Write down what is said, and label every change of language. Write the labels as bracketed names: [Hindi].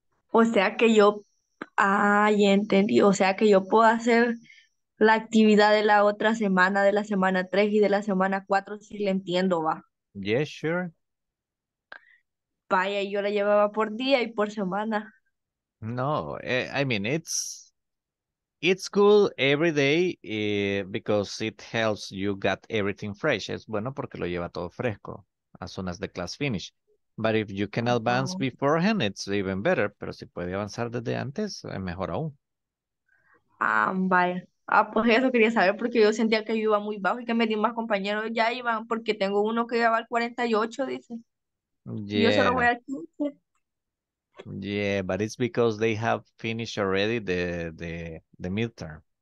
[Spanish] O sea que yo... Ah, ya entendí. O sea que yo puedo hacer la actividad de la otra semana, de la semana 3 y de la semana 4, si le entiendo, va. [English] Yeah, sure. [Spanish] Vaya, yo la llevaba por día y por semana. [English] No, I mean, it's good every day because it helps you get everything fresh. [Spanish] Es bueno porque lo lleva todo fresco [English] as soon as the class finish. But if you can advance beforehand, it's even better. [Spanish] Pero si puede avanzar desde antes, es mejor aún. Vaya. Ah, pues eso quería saber porque yo sentía que yo iba muy bajo y que me di más compañeros. Ya iban porque tengo uno que lleva al 48, dice. [English] Yeah. [Spanish] Yo solo voy al 15. [English] Yeah, but it's because they have finished already the midterm.